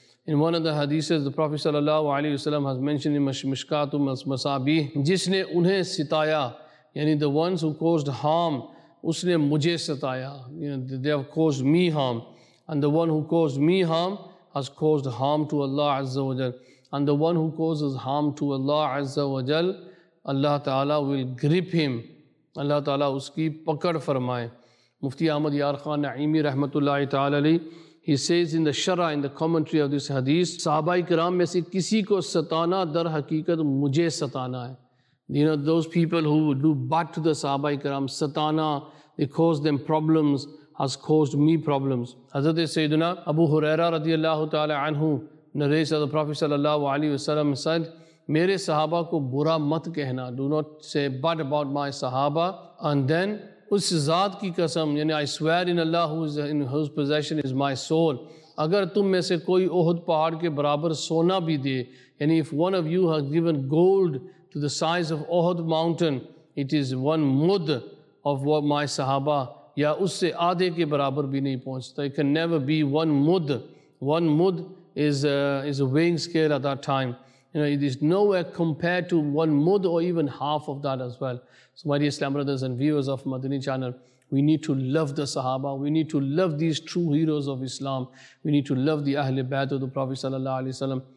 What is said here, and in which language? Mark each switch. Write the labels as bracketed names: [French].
[English] In one of the hadiths, the Prophet صلی اللہ علیہ وسلم has mentioned in مشکات و مسابیح, [Urdu] جس نے انہیں ستایا, [English] یعنی the ones who caused harm, [Urdu] اس نے مجھے ستایا, [English] you know, they have caused me harm, and the one who caused me harm has caused harm to Allah Azza wa Jal, and the one who causes harm to Allah Azza wa Jal, Allah Ta'ala will grip him, Allah Ta'ala [Urdu] اس کی پکڑ فرمائے. مفتی احمد یار خان نعیمی رحمت اللہ تعالی علی, [English] he says in the sharah, in the commentary of this hadith, [Urdu] صحابہ اکرام میں سے کسی کو ستانا در حقیقت مجھے ستانا ہے. [English] You know, those people who do bad to the صحابہ اکرام, ستانا, they cause them problems, has caused me problems. [Urdu] حضرت سیدنا ابو ہریرہ رضی اللہ تعالی عنہ [English] narrates that the Prophet [Urdu] صلی اللہ علیہ وسلم said, میرے صحابہ کو برا مت کہنا, [English] do not say bad about my [Urdu] صحابہ, and then اس ذات کی قسم, یعنی [English] I swear in Allah whose possession is my soul, [Urdu] اگر تم میں سے کوئی احد پہاڑ کے برابر سونا بھی دے, [English] یعنی if one of you has given gold to the size of Uhud mountain, it is one mud of what my صحابہ, [Urdu] یا اس سے آدھے کے برابر بھی نہیں پہنچتا. [English] It can never be one mud. One mud is a weighing scale at that time. You know, it is nowhere compared to one mud or even half of that as well. So my dear Islam brothers and viewers of Madani channel, we need to love the Sahaba. We need to love these true heroes of Islam. We need to love the Ahl-e Bayt of the Prophet sallallahu alaihi wasallam.